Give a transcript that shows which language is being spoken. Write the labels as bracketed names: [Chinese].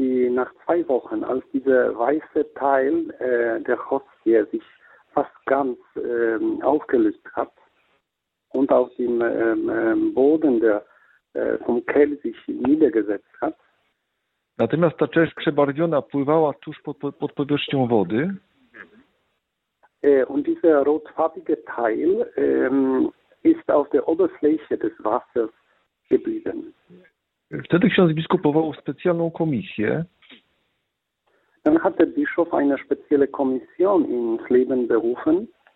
[German] Nach 2 Wochen, als diese weiße Teil der Hostie sich fast ganz aufgelöst hat und auf dem Boden der vom Kelch sich niedergesetzt hat. [Polish] Natomiast ta część przebarwiona pływała tuż pod powierzchnią wody. [German] Und dieser rotfarbige Teil ist auf der Oberfläche des Wassers geblieben. [Polish] Wtedy ksiądz biskup powołał specjalną komisję. [German] Dann hat der Bischof eine spezielle Kommission ins Leben berufen.